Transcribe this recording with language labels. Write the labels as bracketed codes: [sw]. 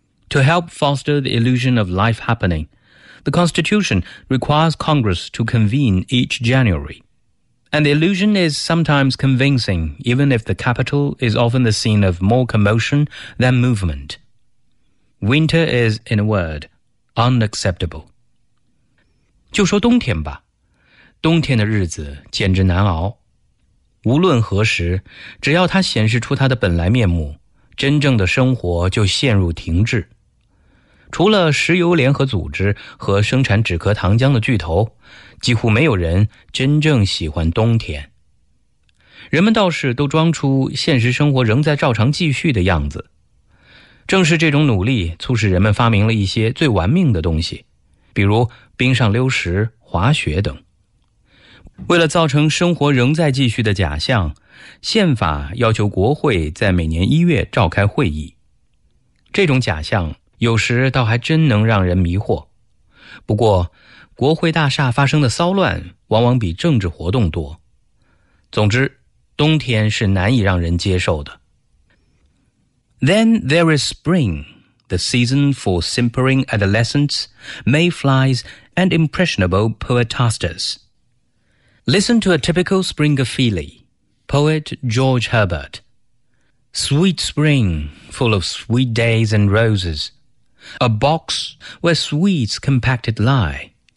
[en] To help foster the illusion of life happening, the Constitution requires Congress to convene each January. And the illusion is sometimes convincing, even if the Capitol is often the scene of more commotion than movement. Winter is, in a word,Unacceptable. [zh] 就说冬天吧，冬天的日子简直难熬。无论何时，只要它显示出它的本来面目，真正的生活就陷入停滞。除了石油联合组织和生产止咳糖浆的巨头，几乎没有人真正喜欢冬天。人们倒是都装出现实生活仍在照常继续的样子。正是这种努力促使人们发明了一些最玩命的东西，比如冰上溜石、滑雪等。为了造成生活仍在继续的假象，宪法要求国会在每年一月召开会议。这种假象有时倒还真能让人迷惑。不过，国会大厦发生的骚乱往往比政治活动多。总之，冬天是难以让人接受的。 [en] Then there is spring, the season for simpering adolescents, mayflies, and impressionable poetasters. Listen to a typical spring of Philly, poet George Herbert. Sweet spring, full of sweet days and roses, a box where sweets compacted lie.